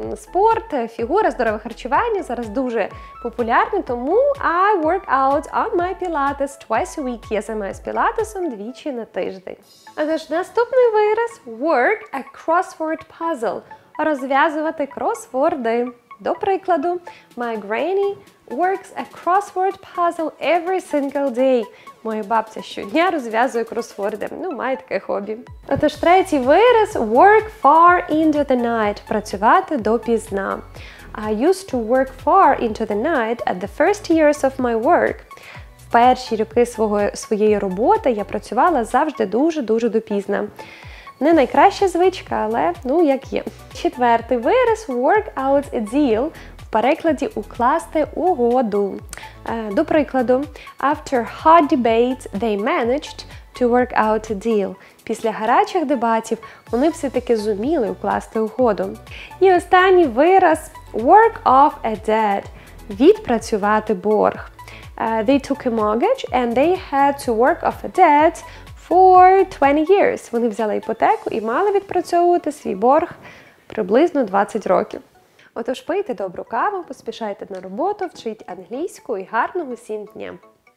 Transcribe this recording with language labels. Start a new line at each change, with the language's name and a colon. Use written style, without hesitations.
Ukrainian: Спорт, фігура, здорове харчування зараз дуже популярні, тому
English: «I work out on my Pilates twice a week»
Ukrainian: – я займаюся пілатесом двічі на тиждень. Отож, наступний вираз –
English: «work a crossword puzzle»
Ukrainian: – розв'язувати кросворди. До прикладу,
English: my granny works a crossword puzzle every single day.
Ukrainian: Моя бабця щодня розв'язує кросворди. Ну, має таке хобі. Отож, третій вираз –
English: work far into the night.
Ukrainian: Працювати допізна.
English: I used to work far into the night at the first years of my work.
Ukrainian: В перші роки своєї роботи я працювала завжди дуже-дуже допізна. Не найкраща звичка, але, ну, як є. Четвертий вираз –
English: work out a deal
Ukrainian: – в перекладі «укласти угоду». До прикладу,
English: after hot debates they managed to work out a deal.
Ukrainian: Після гарячих дебатів вони все-таки зуміли укласти угоду. І останній вираз –
English: work off a debt
Ukrainian: – відпрацювати борг.
English: They took a mortgage and they had to work off a debt for 20 years.
Ukrainian: Вони взяли іпотеку і мали відпрацьовувати свій борг приблизно 20 років. Отож, пийте добру каву, поспішайте на роботу, вчіть англійську і гарного всім дня!